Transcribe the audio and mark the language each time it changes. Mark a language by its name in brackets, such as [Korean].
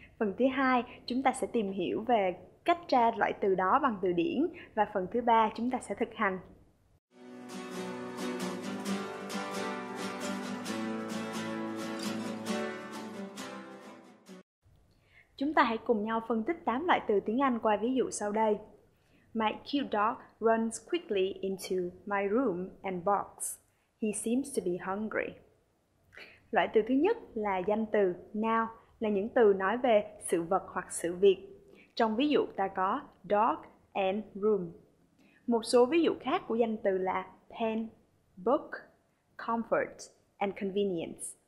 [Vietnamese] Phần thứ hai, chúng ta sẽ tìm hiểu về cách tra loại từ đó bằng từ điển. Và phần thứ ba, chúng ta sẽ thực hành. Chúng ta hãy cùng nhau phân tích 8 loại từ tiếng Anh qua ví dụ sau đây. [English] My cute dog runs quickly into my room and barks. He seems to be hungry. [Vietnamese] Loại từ thứ nhất là danh từ, noun, là những từ nói về sự vật hoặc sự việc. Trong ví dụ ta có dog and room. Một số ví dụ khác của danh từ là pen, book, comfort and convenience.